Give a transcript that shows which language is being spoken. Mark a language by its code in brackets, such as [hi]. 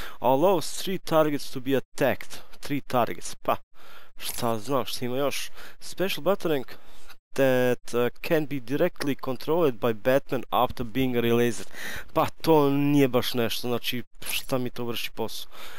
[en] Allow 3 targets to be attacked. 3 targets, [hr] pa šta znam šta ima još. [en] Special Batarang that can be directly controlled by Batman after being released. [hr] Pa to nije baš nešto, znači šta mi to vrši posao.